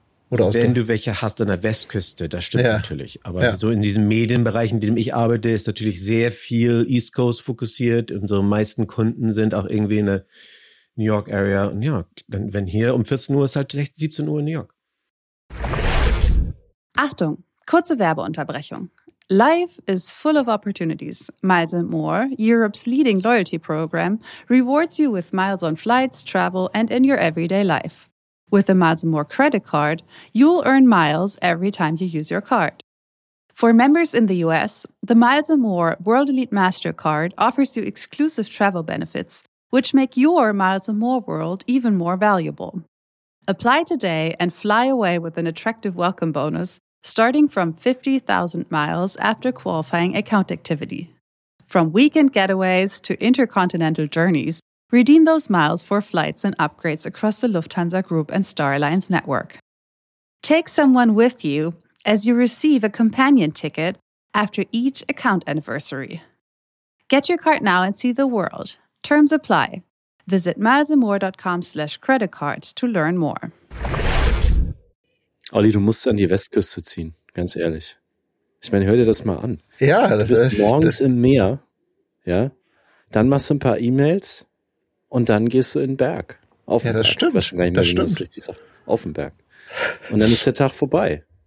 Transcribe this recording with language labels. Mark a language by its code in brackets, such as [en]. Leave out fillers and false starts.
[de] Oder wenn du welche hast an der Westküste, das stimmt natürlich. Aber so in diesem Medienbereich, in dem ich arbeite, ist natürlich sehr viel East Coast fokussiert. Unsere meisten Kunden sind auch irgendwie in der New York Area. Und ja, wenn hier um 14 Uhr ist, halt 16, 17 Uhr in New York. Achtung, kurze Werbeunterbrechung. [en] Life is full of opportunities. Miles & More, Europe's leading loyalty program, rewards you with miles on flights, travel, and in your everyday life. With the Miles & More credit card, you'll earn miles every time you use your card. For members in the US, the Miles & More World Elite MasterCard offers you exclusive travel benefits, which make your Miles & More world even more valuable. Apply today and fly away with an attractive welcome bonus starting from 50,000 miles after qualifying account activity. From weekend getaways to intercontinental journeys, redeem those miles for flights and upgrades across the Lufthansa Group and Star Alliance network. Take someone with you as you receive a companion ticket after each account anniversary. Get your card now and see the world. Terms apply. Visit milesandmore.com/creditcards to learn more. [de] Olli, du musst an die Westküste ziehen, ganz ehrlich. Ich meine, hör dir das mal an. Ja, das ist. Du bist morgens im Meer, ja. Dann machst du ein paar E-Mails und dann gehst du in den Berg. Auf den Berg. Stimmt. Ich weiß schon gar nicht mehr, wie man das richtig sagt. Auf den Berg. Und dann ist der Tag vorbei.